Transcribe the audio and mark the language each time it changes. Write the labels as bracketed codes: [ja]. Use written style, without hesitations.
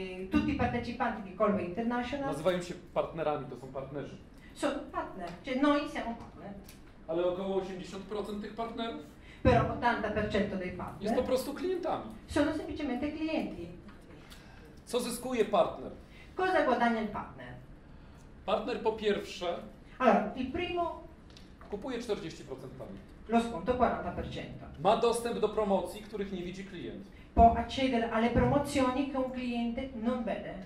[it] Tutti partecipanti di Call International. [pl] Nazywają się partnerami, to są partnerzy. [it] Sono partner, cioè noi siamo partner. [pl] Ale około 80% tych partnerów. [it] Però 80% dei partner. [pl] Jest po prostu klientami. [it] Sono semplicemente clienti. [pl] Co zyskuje partner? [it] Cosa guadagna il partner? [pl] Partner po pierwsze. [it] Allora, il primo. [pl] Kupuje 40% partner. [it] Lo sconto 40%. [pl] Ma dostęp do promocji, których nie widzi klient. [it] Può accedere alle promozioni che un cliente non vede.